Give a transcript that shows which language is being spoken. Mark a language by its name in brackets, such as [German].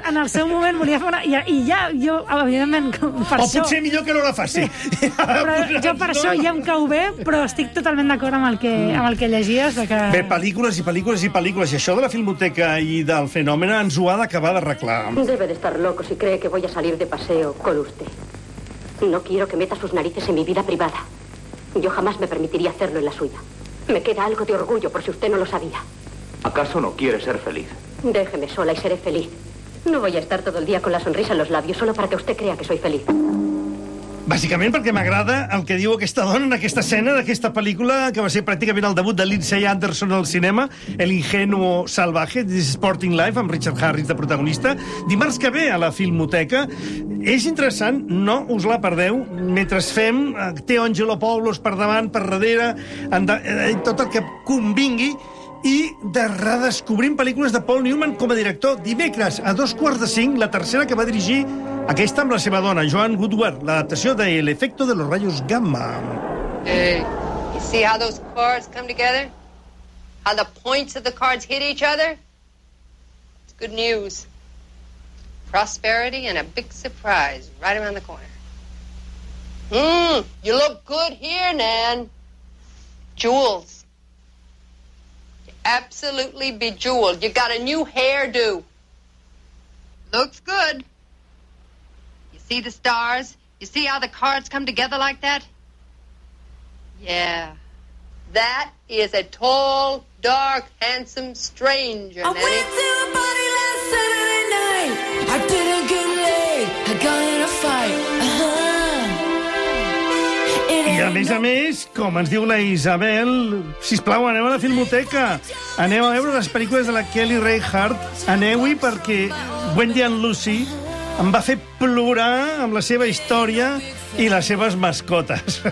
[Catalan] En el seu moment volia fer una... I ja, jo, evidentment, per o això... O potser millor que no la faci. Jo per això ja em cau bé, però estic totalment d'acord amb el que llegies. Que... Bé, pel·lícules. I això de la Filmoteca i del fenomen ens ho ha d'acabar d'arreglar. [Spanish] Debe de estar loco si cree que voy a salir de paseo con usted. No quiero que meta sus narices en mi vida privada. Yo jamás me permitiría hacerlo en la suya. Me queda algo de orgullo, por si usted no lo sabía. ¿Acaso no quiere ser feliz? Déjeme sola y seré feliz. No voy a estar todo el día con la sonrisa en los labios solo para que usted crea que soy feliz. [Catalan] Bàsicament perquè m'agrada el que diu aquesta dona en aquesta escena d'aquesta pel·lícula, que va ser pràcticament el debut de Lindsay Anderson al cinema, El ingenuo salvaje, This Sporting Life, amb Richard Harris de protagonista, dimarts que ve a la Filmoteca. És interessant, no us la perdeu, mentre fem Té Angelopoulos per davant, per darrere, tot el que convingui, i de redescobrim pel·lícules de Paul Newman com a director. Dimecres, a 4:45, la tercera que va dirigir aquesta amb la seva dona, Joan Woodward, l'adaptació de El efecto de los rayos gamma. [English] Hey, you see how those cards come together? How the points of the cards hit each other? It's good news. Prosperity and a big surprise right around the corner. You look good here, Nan. Jewels. Absolutely bejeweled. You got a new hairdo. Looks good. See the stars? You see how the cards come together like that? Yeah. That is a tall, dark, handsome stranger, Nanny. I went to a party last Saturday night. I did a good leg. I got in a fight. [Catalan] I a més, com ens diu la Isabel, sisplau, aneu a la Filmoteca. Aneu a veure les pel·lícules de la Kelly Reichardt. Aneu-hi perquè Wendy and Lucy em va fer plorar amb la seva història i les seves mascotes.